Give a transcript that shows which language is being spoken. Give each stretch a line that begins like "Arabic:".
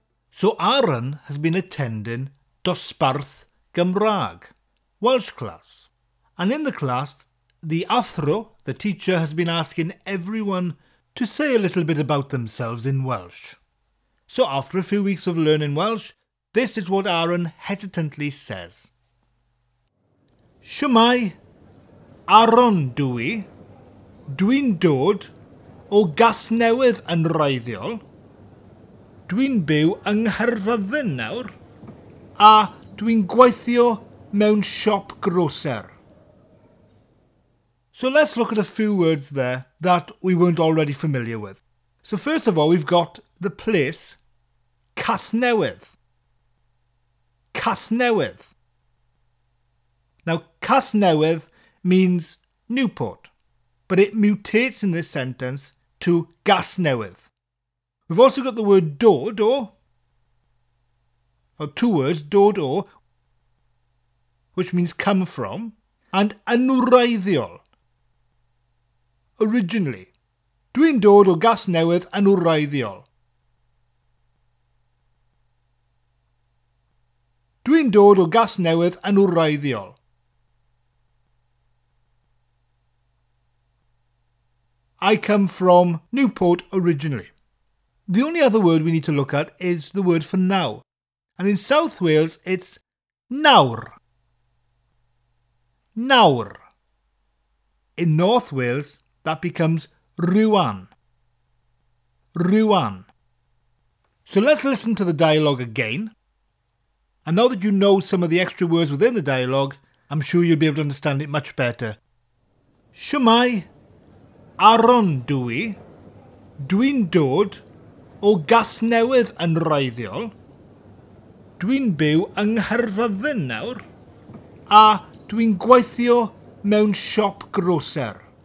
English: So Aaron has been attending Dosbarth Gymraeg, Welsh class. And in the class, the athro, the teacher, has been asking everyone to say a little bit about themselves in Welsh. So after a few weeks of learning Welsh, this is what Aaron hesitantly says.
Welsh: Shumai, Aaron dwi, dwi'n dod o Gasnewydd yn Wreiddiol, dwi'n byw yng Nghaerfyrddin nawr, a dwi'n gweithio mewn siop groser.
English: So let's look at a few words there that we weren't already familiar with. So first of all, we've got the place, Casnewydd. Casnewydd. Now, Casnewydd means Newport, but it mutates in this sentence to Gasnewydd. We've also got the word dod o, or two words, dod o, which means come from, and anwraiddiol. Originally,
Welsh: dwi'n dod o Gasnewydd anwraiddiol. Dwi'n dod o Gasnewydd anwraiddiol.
English: I come from Newport originally. The only other word we need to look at is the word for now. And in South Wales, it's nawr. Nawr. In North Wales, that becomes rwan. Rwan. So let's listen to the dialogue again. And now that you know some of the extra words within the dialogue, I'm sure you'll be able to understand it much better.
Welsh: Shumai, Aaron dwi, dwi'n dod o Gasnewydd yn Wreiddiol, dwi'n byw yng Nghaerfyrddin nawr, a dwi'n gweithio mewn siop groser.